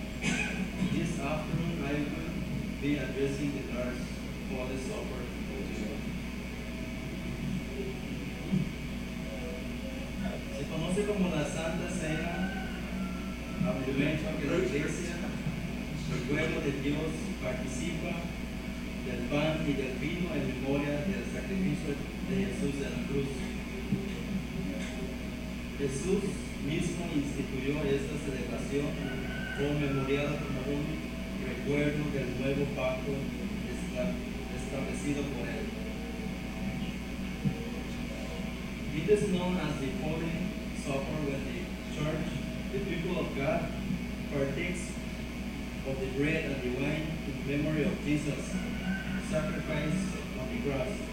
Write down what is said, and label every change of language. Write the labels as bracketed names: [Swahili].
[English] This afternoon I will be addressing the Lord's for the supper. [Spanish] Se conoce como la Santa Cena, a momento que la iglesia, el pueblo de Dios, participa del pan y del vino en memoria del sacrificio de Jesús en la cruz. Jesús mismo instituyó esta celebración conmemorada como un recuerdo del nuevo pacto establecido por él. [English] It is known as the Holy Supper when the church, the people of God, partakes of the bread and the wine in memory of Jesus, sacrificed on the cross.